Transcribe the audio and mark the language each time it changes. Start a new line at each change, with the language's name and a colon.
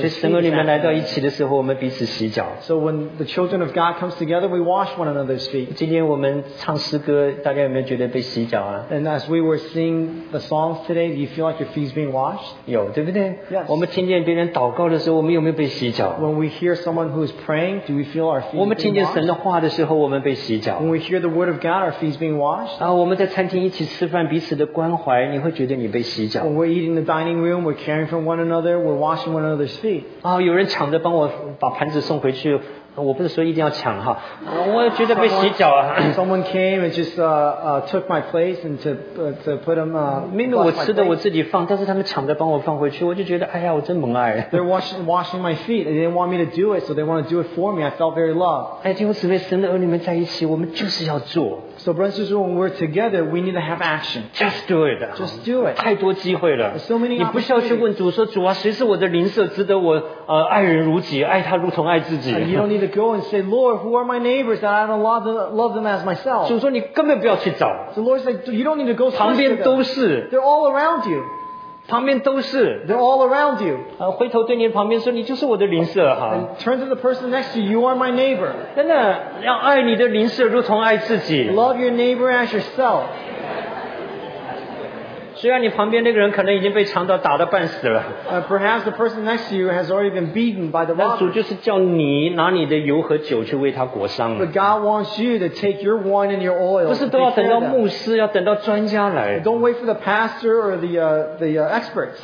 Chinese: 所以神儿女们来到一起的时候, 我们彼此洗脚,
English: so when the children of God comes together, we wash one another's feet.
Chinese: 今天我们唱诗歌, 大家有没有觉得被洗脚啊?
English: And as we were singing the songs today, do you feel like your feet being washed?
Chinese: 有, 对不对?
English: Yes.
Chinese: 我们听见别人祷告的时候, 我们有没有被洗脚?
English: When we hear someone who is praying, do we feel our feet being washed?
Chinese: 我们听见神的话的时候, 我们被洗脚?
English: When we hear the word of God, our feet being washed?
Chinese: 啊, 我们在餐厅一起吃饭, 彼此的关怀, 你会觉得你被洗脚?
English: When we're eating in the dining room, we're caring for one another, we're washing one another's feet.
Chinese: 啊, 有人抢着帮我把盘子送回去, 我不是说一定要抢哈, 我觉得被洗脚啊,
English: someone came and just took my place and to put them
Chinese: 明明我吃的我自己放 但是他们抢着帮我放回去 我就觉得, 哎呀,
English: they're washing my feet and they didn't want me to do it so they want to do it for me I felt very loved
Chinese: 哎,弟兄姊妹, 神的儿女们在一起, 我们就是要做
English: so brothers and sisters when we're together we need to have action just do it just do it
Chinese: 太多机会了
English: so many
Chinese: 你不需要去问主说 主啊, 谁是我的邻舍, 值得我, 爱人如己, 爱他如同爱自己
English: You don't need to go and say, Lord, who are my neighbors that I don't love them as myself? So the Lord said, you don't need to go search them. They're all around you.
Chinese: 旁边都是,
English: They're all around you.
Chinese: 回头对你旁边说,
English: and turn to the person next to you, you are my neighbor.
Chinese: 真的,
English: love your neighbor as yourself.
Chinese: 虽然你旁边那个人可能已经被强盗打得半死了
English: Perhaps the person next to you has already been beaten by the robbers
Chinese: 但主就是叫你拿你的油和酒去为他裹伤
English: But God wants you to take your wine and your oil
Chinese: 不是都要等到牧师 要等到专家来
English: Don't wait for the pastor or the experts